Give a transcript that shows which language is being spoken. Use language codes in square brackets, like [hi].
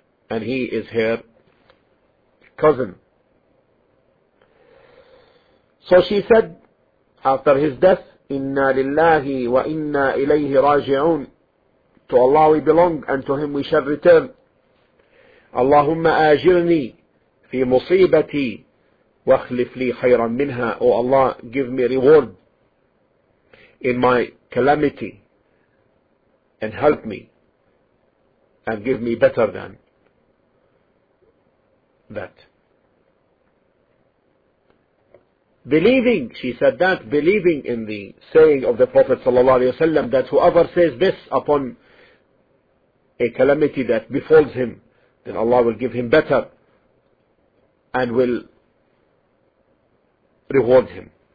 [en] And he is her cousin. So she said, after his death, [ar] إِنَّا لِلَّهِ وَإِنَّا إِلَيْهِ رَاجِعُونَ. [en] To Allah we belong, and to Him we shall return. [ar] اللهم آجرني في مصيبتي واخلف لي خيرا منها. [en] O Allah, give me reward in my calamity and help me and give me better than that. Believing, she said that, believing in the saying of the Prophet sallallahu alaihi wasallam that whoever says this upon a calamity that befalls him, then Allah will give him better and will reward him.